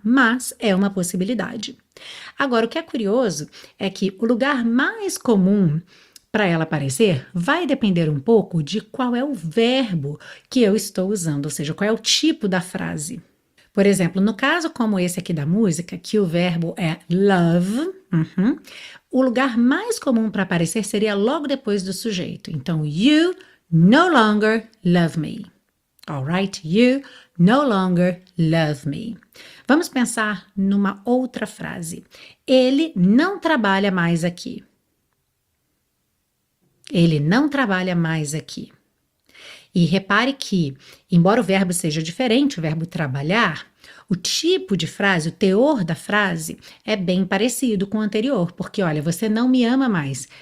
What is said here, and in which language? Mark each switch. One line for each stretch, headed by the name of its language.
Portuguese: Mas é uma possibilidade. Agora, o que é curioso é que o lugar mais comum para ela aparecer vai depender um pouco de qual é o verbo que eu estou usando, ou seja, qual é o tipo da frase. Por exemplo, no caso como esse aqui da música, que o verbo é love, o lugar mais comum para aparecer seria logo depois do sujeito. Então,
English: you no longer love me. All right, you no longer love me.
Portuguese: Vamos pensar numa outra frase. Ele não trabalha mais aqui. Ele não trabalha mais aqui. E repare que, embora o verbo seja diferente, o verbo trabalhar, o tipo de frase, o teor da frase é bem parecido com o anterior, porque olha, você não me ama mais.